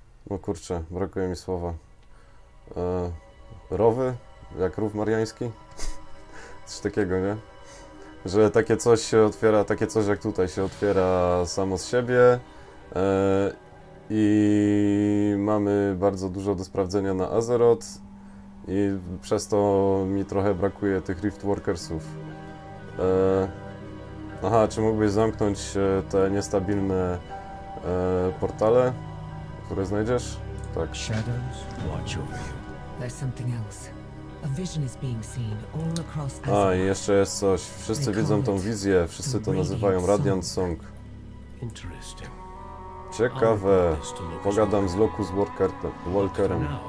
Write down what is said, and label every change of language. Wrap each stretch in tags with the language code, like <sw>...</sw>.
<pl>no kurczę, brakuje mi słowa, rowy, jak rów mariański, coś takiego, nie, że takie coś się otwiera, takie coś jak tutaj się otwiera samo z siebie, i mamy bardzo dużo do sprawdzenia na Azeroth i przez to mi trochę brakuje tych Riftwalkersów. Aha, czy mógłbyś zamknąć te niestabilne portale, które znajdziesz? Tak.</pl> <en>Shadows watch over you. There's something else. A vision is being seen all across Azeroth.</en> <pl>A i jeszcze jest coś. Wszyscy widzą tą wizję, wszyscy to nazywają Radiant Song.</pl> <en>Interesting.</en> <pl>Ciekawe. Pogadam z Locus Walkerem.</pl>